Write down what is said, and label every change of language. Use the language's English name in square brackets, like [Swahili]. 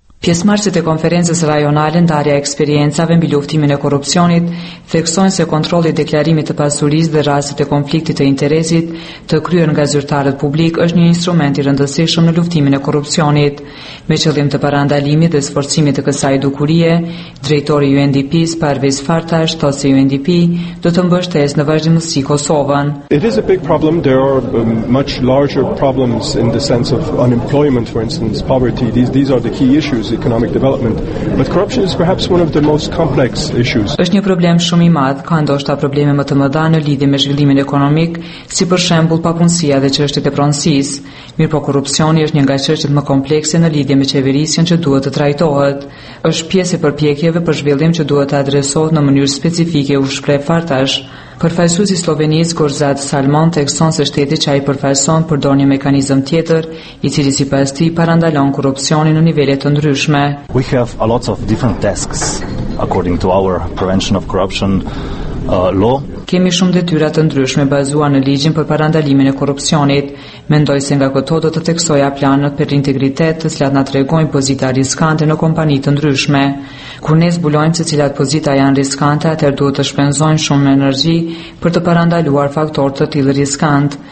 [Albanian] Pjesëmarrësit e konferencës rajonale ndarja eksperiencave mbi luftimin e korrupsionit theksojnë se kontrolli i deklarimit të pasurisë dhe rastet e konfliktit të interesit të kryer nga zyrtarët publik është një instrument i rëndësishëm në luftimin e korrupsionit. Me qëllim të parandalimit dhe sforcimit të kësaj dukurie, drejtori i UNDP-s Parviz Fartash thotë se UNDP do të mbështesë në vazhdimësi Kosovën. [English] It is a big problem. There are much larger problems in the sense of unemployment, for instance, poverty. These are the key issues. Economic development, but corruption is perhaps one of the most complex issues. [Albanian] Është një problem shumë i madh, ka ndoshta probleme më të mëdha në lidhje me zhvillimin ekonomik, si për shembull papunësia dhe çështjet e pronësisë. Mirpo korrupsioni është një nga çështjet më komplekse në lidhje me qeverisjen që duhet të trajtohet. Është pjesë e përpjekjeve për zhvillim që duhet të adresohet në mënyrë specifike, u shpreh Fartash. Përfaqësuesi slovenez Gorzat Salmon tekson se shteti që ai përfaqëson përdor një mekanizëm tjetër i cili sipas tij parandalon korrupsionin në nivele të ndryshme. [English] We have a lot of different tasks according to our prevention of corruption law. [Albanian] Kemi shumë detyra të ndryshme bazuar në ligjin për parandalimin e korrupsionit. Mendoj se nga këto do të teksoja planët për integritet, të cilat na tregojnë pozita riskante në kompani të ndryshme. Kur ne zbulojmë se cilat pozita janë riskante, atëherë duhet të shpenzojmë shumë energji për të parandaluar faktorë të tillë riskant.